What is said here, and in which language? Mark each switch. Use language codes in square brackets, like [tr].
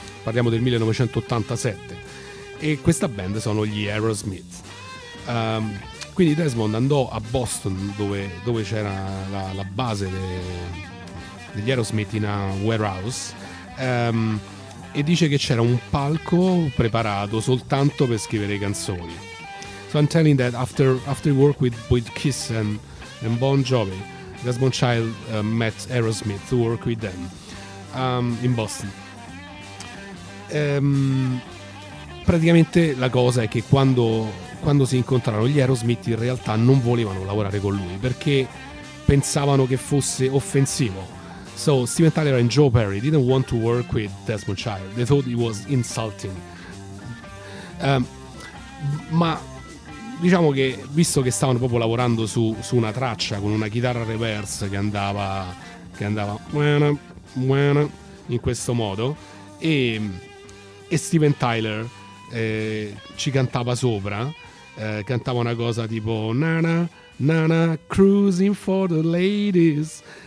[it] Parliamo del 1987, e questa band sono gli Aerosmith. Quindi Desmond andò a Boston, dove c'era la base degli Aerosmith, in una warehouse, e dice che c'era un palco preparato soltanto per scrivere canzoni. [en] So I'm telling that after work with Kiss and Bon Jovi, Desmond Child met Aerosmith to work with them in Boston. [it] praticamente la cosa è che quando si incontrarono gli Aerosmith, in realtà non volevano lavorare con lui perché pensavano che fosse offensivo. [en] So Steven Tyler and Joe Perry didn't want to work with Desmond Child. They thought it was insulting. [it] Ma diciamo che, visto che stavano proprio lavorando su una traccia con una chitarra reverse che andava in questo modo, e Steven Tyler ci cantava sopra, cantava una cosa tipo nana nana [en] cruising for the ladies,